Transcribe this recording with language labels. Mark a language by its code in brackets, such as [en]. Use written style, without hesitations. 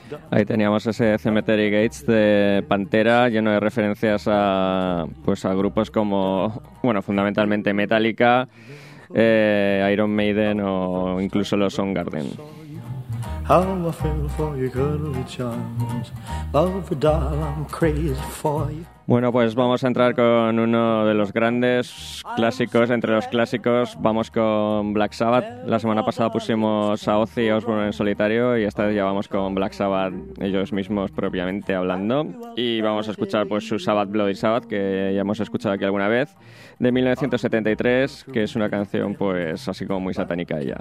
[es] Ahí teníamos ese Cemetery Gates de Pantera, lleno de referencias a, pues a grupos como, bueno, fundamentalmente Metallica, Iron Maiden o incluso los Soundgarden. [en] How I feel for your girl charms, love doll, I'm crazy for you. [es] Bueno, pues vamos a entrar con uno de los grandes clásicos, entre los clásicos, vamos con Black Sabbath. La semana pasada pusimos a Ozzy Osbourne en solitario y esta vez ya vamos con Black Sabbath, ellos mismos propiamente hablando. Y vamos a escuchar pues su Sabbath Bloody Sabbath, que ya hemos escuchado aquí alguna vez, de 1973, que es una canción pues así como muy satánica ya.